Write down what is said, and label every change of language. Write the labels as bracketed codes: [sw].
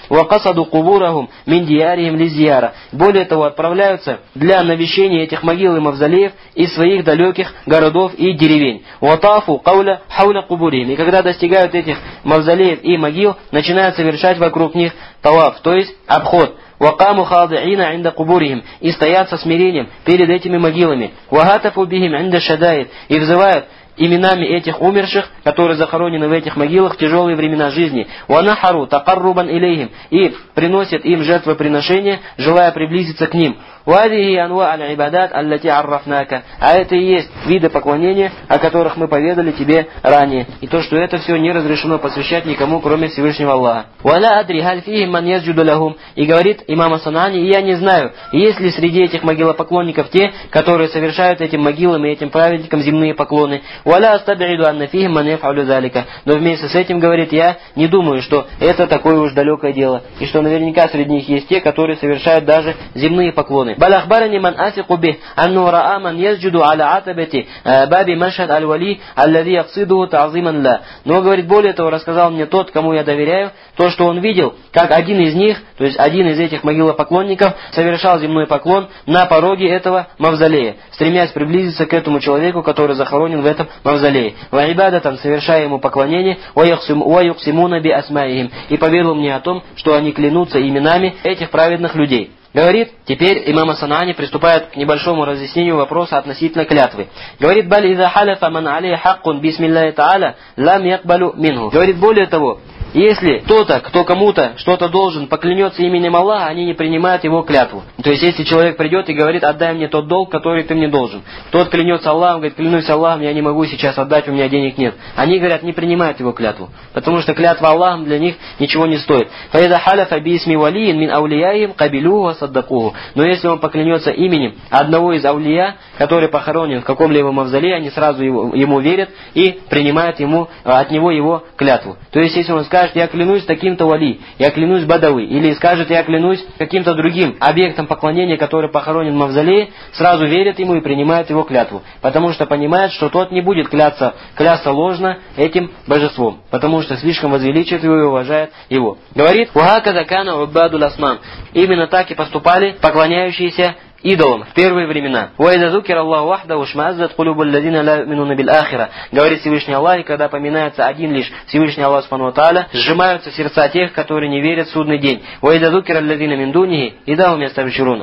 [ar] وَقَصَدُوا قُبُورَهُمْ مِنْ دِيَارِهِمْ لِزِيَارَةٍ. [ru] Более того, отправляются для навещения этих могил и мавзолеев из своих далеких городов и деревень. [ar] وَطَافُوا قَوْلَ حَوْلَ قُبُورِهِمْ. [ru] И когда достигают этих мавзолеев и могил, начинают совершать вокруг них таваф, то есть обход. [ar] وقاموا خاضعين عند قبورهم. [ru] И стоят со смирением перед этими могилами. [ar] وهتفوا بهم عند الشدائد. [ru] И взывают именами этих умерших, которые захоронены в этих могилах в тяжелые времена жизни. [ar] ونحروا تقربا إليهم. [ru] И приносят им жертвоприношения, желая приблизиться к ним. [ar] وهذه أنواع العبادات التي عرفناك. [ru] А это и есть виды поклонения, о которых мы поведали тебе ранее. И то, что это все не разрешено посвящать никому, кроме Всевышнего Аллаха. [ar] ولا أدري هل فيهم من يسجد لهم. [ru] И говорит имам Ас-Санани, я не знаю, есть ли среди этих могилопоклонников те, которые совершают этим могилам и этим праведникам земные поклоны. [ar] ولا أستبعد أن فيهم من يفعل ذلك. [ru] Но вместе с этим говорит, я не думаю, что это такое уж далекое дело, и что наверняка среди них есть те, которые совершают даже земные поклоны. [ar] بل أخبرني من أثق به أنه رأى من يسجد على عتبة باب مشهد الولي الذي يقصده تعظيما له. [ru] Но говорит, более того, рассказал мне тот, кому я доверяю, то, что он видел, как один из них, то есть один из этих могилопоклонников, совершал земной поклон на пороге этого мавзолея, стремясь приблизиться к этому человеку, который захоронен в этом мавзолее. [ar] وعبادة [ru] совершая ему поклонение, [ar] ويقسمون بأسمائهم. [ru] И поведал мне о том, что они клянутся именами этих праведных людей. Говорит, теперь имам Ас-Санани приступает к небольшому разъяснению вопроса относительно клятвы. Говорит, [ar] بَلْ إِذَا حَلَفَ مَنْ عَلَيْهِ حَقٌ بِسْمِ اللَّهِ تَعَالَى لَمْ يَقْبَلُ مِنْهُ. [ru] Говорит, более того, если кто-то, кто кому-то что-то должен, поклянется именем Аллаха, они не принимают его клятву. То есть, если человек придет и говорит, отдай мне тот долг, который ты мне должен. Тот клянется Аллахом, говорит, клянусь Аллахом, я не могу сейчас отдать, у меня денег нет. Они говорят, не принимают его клятву. Потому что клятва Аллахом для них ничего не стоит. [ar] فَإِذَا حَلَفَ بِإِسْمِ وَلِيٍّ مِنْ أَوْلِيَائِهِمْ قَبِلُوهُ وَصَدَّقُوهُ. [ru] Но если он поклянется именем одного из аулия, который похоронен в каком-либо мавзолее, они сразу ему верят и принимают ему, от него его клятву. То есть, если он скажет, я клянусь таким-то вали, я клянусь бадави, или скажет, я клянусь каким-то другим объектом поклонения, который похоронен в мавзолее, сразу верят ему и принимают его клятву, потому что понимают, что тот не будет клясться ложно этим божеством, потому что слишком возвеличивает его и уважает его. Говорит, [ar] وَهَكَذَا كَانَ عُبَّادُ الْأَصْنَامِ. [ru] Именно так и поступали поклоняющиеся идолам в первые времена. [ar] وَإِذَا ذُكِرَ اللَّهُ وَحْدَهُ اشْمَأَزَّتْ قُلُوبُ الَّذِينَ لَا يُؤْمِنُونَ بِالْآخِرَةِ. [ru] Говорит Всевышний Аллах, и когда поминается один лишь Всевышний Аллах Субхану ва Тааля, сжимаются сердца тех, которые не верят в судный день. [ar] وَإِذَا ذُكِرَ الَّذِينَ مِنْ دُونِهِ إِذَا هُمْ يَسْتَبْشِرُونَ.